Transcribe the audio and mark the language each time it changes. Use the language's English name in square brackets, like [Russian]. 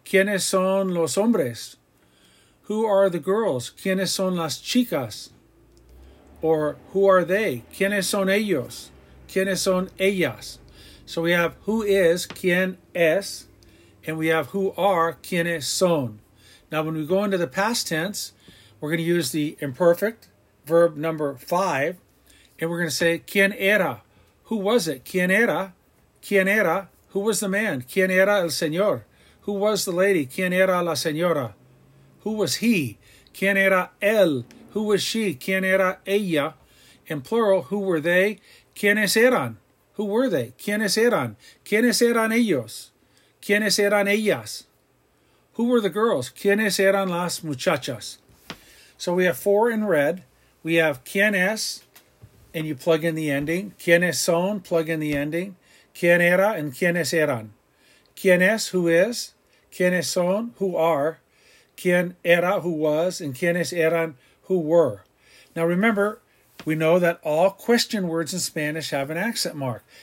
[Spanish] ¿Quiénes son los hombres? [English] Who are the girls? [Spanish] ¿Quiénes son las chicas? [English] Or who are they? [Spanish] ¿Quiénes son ellos? ¿Quiénes son ellas? [English] So we have who is, [Spanish] ¿quién es? [English] And we have who are, [Spanish] ¿quiénes son? [English] Now when we go into the past tense, we're going to use the imperfect, verb number 5. And we're going to say, [Spanish] ¿quién era? [English] Who was it? [Spanish] ¿Quién era? ¿Quién era? [English] Who was the man? [Spanish] ¿Quién era el señor? [English] Who was the lady? [Spanish] ¿Quién era la señora? [English] Who was he? [Spanish] ¿Quién era él? [English] Who was she? [Spanish] ¿Quién era ella? [English] In plural, who were they? [Spanish] ¿Quiénes eran? [English] Who were they? ¿Quiénes eran? [Spanish] ¿Quiénes eran ellos? ¿Quiénes eran ellas? [English] Who were the girls? [Spanish] ¿Quiénes eran las muchachas? [English] So we have four in red. We have [Spanish] ¿quién es? [English] And you plug in the ending. [Spanish] ¿Quiénes son? [English] Plug in the ending. [Spanish] ¿Quién era? And ¿quiénes eran? ¿Quién es? [English] Who is? [Spanish] ¿Quiénes son? [English] Who are? [Spanish] ¿Quién era? [English] Who was? [Spanish] And ¿quiénes eran? [English] Who were? Now remember, we know that all question words in Spanish have an accent mark.